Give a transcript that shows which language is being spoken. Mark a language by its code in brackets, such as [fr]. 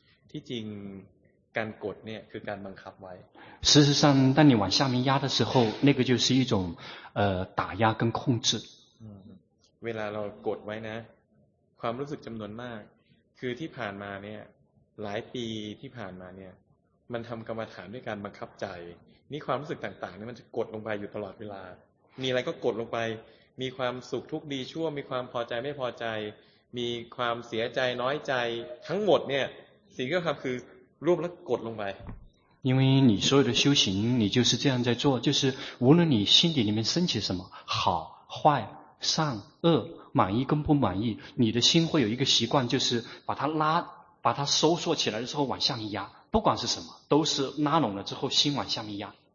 [th] ที่จริงการกดเนี่ยคือการบังคับไว้ [zh] 事实上当你往下面压的时候那个就是一种打压跟控制 [th] เวลาเรากดไว้นะความรู้สึกจำนวนมากคือที่ผ่านมาเนี่ยหลายปีที่ผ่านมาเนี่ยมันทำกรรมฐานด้วยการบังคับใจนี่ความรู้สึกต่างๆนี่มันจะกดลงไปอยู่ตลอดเวลามีอะไรก็กดลงไปมีความสุขทุกข์ดีชั่วมีความพอใจไม่พอใจมีความเสียใจน้อยใจทั้งหมดเนี่ยสิ่งที่ทำคือรวบแล้วกดลงไป [zh] 因为你所有的修行你就是这样在做就是无论你心底里面升起什么好坏善恶满意跟不满意你的心会有一个习惯就是把它收缩起来之后往下面压不管是什么都是拉拢了之后心往下面压